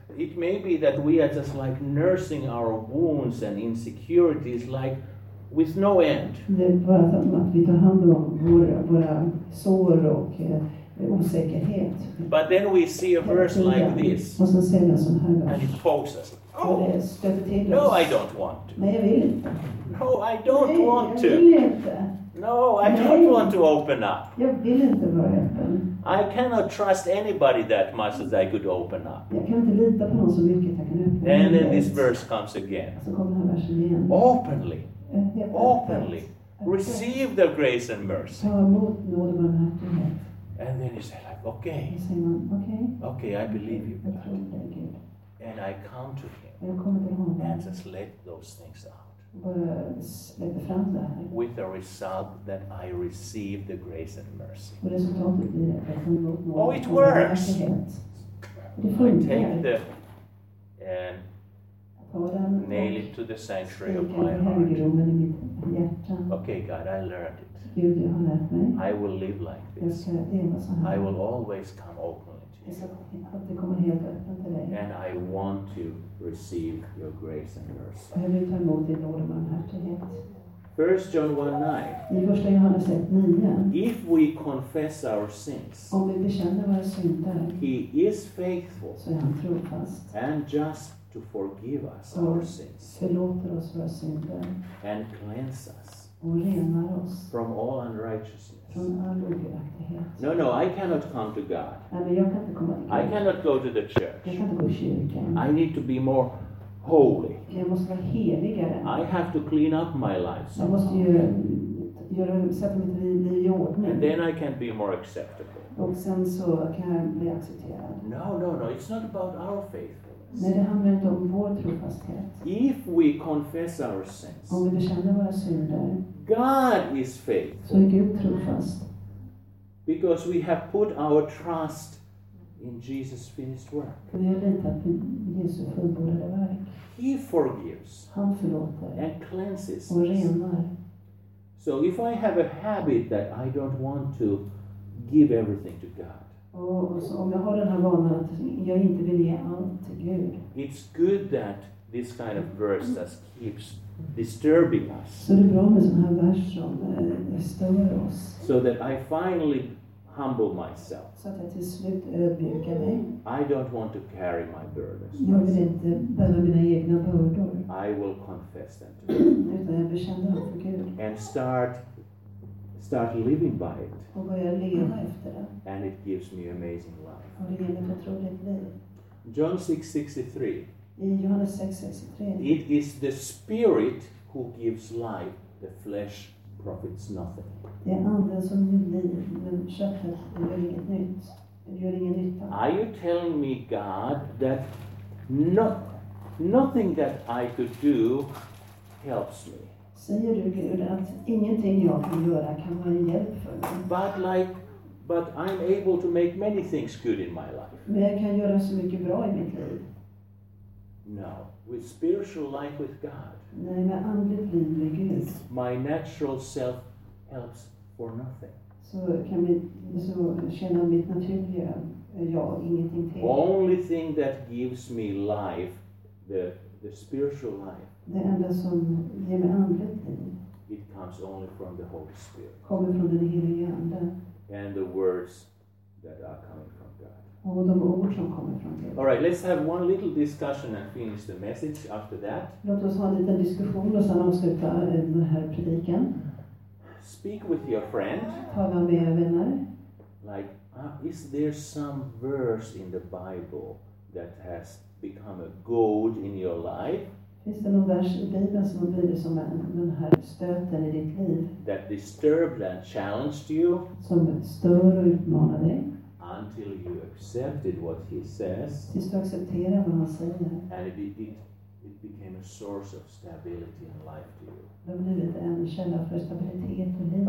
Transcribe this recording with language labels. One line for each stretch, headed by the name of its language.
English: It may be that we are just like nursing our wounds and insecurities like with no end.
Swedish: Det är bara att vi tar hand om våra sår och osäkerhet.
English: But then we see a verse like this.
Swedish: Och så ser vi en sån här vers.
English: And it pokes us. Oh, no, I don't want to.
Swedish: Nej, jag vill inte.
English: No, I don't want to.
Swedish: Nej, jag vill inte.
English: No, I don't want to open up.
Swedish: Jag vill inte vara öppen.
English: I cannot trust anybody that much that I could open up.
Swedish: Jag kan inte lita på någon så mycket att jag kan öppna.
English: And then this verse comes again.
Swedish: Så kommer den här versen igen.
English: Openly. Openly. Receive the grace and mercy.
Swedish: Ta emot nåd och barmhärtighet.
English: And then you say like, okay.
Swedish: Säger man, okay.
English: Okay, I believe you.
Swedish: Jag tror dig.
English: And I come to him.
Swedish: Jag kommer till honom.
English: And just let those things out.
Swedish: Släpper fram det här.
English: With the result that I receive the grace and mercy.
Swedish: Och resultatet blir att jag får emot nåd.
English: Oh, it works!
Swedish: Det funkar.
English: I take the and nail it to the sanctuary of my heart. Okay, God, I learned it.
Swedish: Gud, jag har lärt mig.
English: I will live like this.
Swedish: Jag ska leva så här.
English: I will always come open.
Swedish: Det kommer helt öppen till dig.
English: And I want to receive your grace and mercy.
Swedish: Jag vill ta emot din nåd och barmhärtighet.
English: 1 John 1:9.
Swedish: I första Johannes 1:9.
English: If we confess our sins.
Swedish: Om vi bekänner våra synder.
English: He is faithful.
Swedish: Så är han trofast.
English: And just to forgive us our sins.
Swedish: Förlåter oss våra synder.
English: And cleanse us.
Swedish: Och renar oss.
English: From all unrighteousness.
Swedish: Från
English: no, I cannot come to God.
Swedish: Nej, men jag kan inte komma till Gud.
English: I cannot go to the church.
Swedish: Jag kan inte gå till kyrkan.
English: I need to be more holy.
Swedish: Jag måste vara heligare.
English: I have to clean up my life.
Swedish: Jag måste göra sätta mitt liv i ordning.
English: And then I can be more acceptable.
Swedish: Och sen så kan jag bli accepterad.
English: No, it's not about our faithfulness.
Swedish: Nej, det handlar inte om vår trofasthet.
English: If we confess our sins.
Swedish: Om vi bekänner våra synder.
English: God is faithful.
Swedish: Så är Gud trofast.
English: Because we have put our trust in Jesus' finished work.
Swedish: Vi har litat på Jesu fullbordade verk.
English: He forgives.
Swedish: Han förlåter.
English: And cleanses.
Swedish: Och renar.
English: So if I have a habit that I don't want to give everything to God.
Swedish: Och om jag har den här vanan att jag inte vill ge allt till Gud.
English: It's good that this kind of verse just keeps disturbing us.
Swedish: Så det är bra med sån här vers som stör oss.
English: So that I finally humble myself.
Swedish: Så att jag till slut ödmjukar mig.
English: I don't want to carry my burdens.
Swedish: Jag vill inte bära mina egna bördor.
English: I will confess them to
Swedish: God. Utan jag bekänner dem för Gud.
English: And start start living by it.
Swedish: Och börjar leva efter det.
English: And it gives me amazing life.
Swedish: Och det ger mig otroligt liv.
English: John 6:63.
Swedish: I Johannes 6:63.
English: It is the spirit who gives life. The flesh profits nothing.
Swedish: Det är anden som ger liv, men köttet gör inget nytt. Det gör ingen nytta.
English: Are you telling me, God, that nothing that I could do helps me?
Swedish: Säger du Gud att ingenting jag kan göra kan vara hjälp för mig?
English: But I'm able to make many things good in my life.
Swedish: Men jag kan göra så mycket bra i mitt liv.
English: No, with spiritual life with God.
Swedish: Nej, med andligt liv med Gud.
English: My natural self helps for nothing.
Swedish: Så känner mitt naturliga jag ingenting till.
English: Only thing that gives me life, the spiritual life.
Swedish: Det enda som ger mig andligt liv.
English: It comes only from the Holy Spirit.
Swedish: Kommer från den helige Ande.
English: And the words that are coming from God.
Swedish: Och de ord som kommer från Gud.
English: All right, let's have one little discussion and finish the message after that.
Swedish: Låt oss ha en liten diskussion och sen avsluta den här predikan.
English: Speak with your friend.
Swedish: Tala med era vänner.
English: Like, is there some verse in the Bible that has become a goad in your life?
Swedish: Finns det någon vers i Bibeln som har blivit som den här stöten i ditt liv?
English: That disturbed and challenged you?
Swedish: Som stör och utmanar dig?
English: Until you accepted what he says?
Swedish: Tills du accepterar vad han säger?
English: And it became a source of stability in life to you.
Swedish: Det har blivit en källa för stabilitet och liv.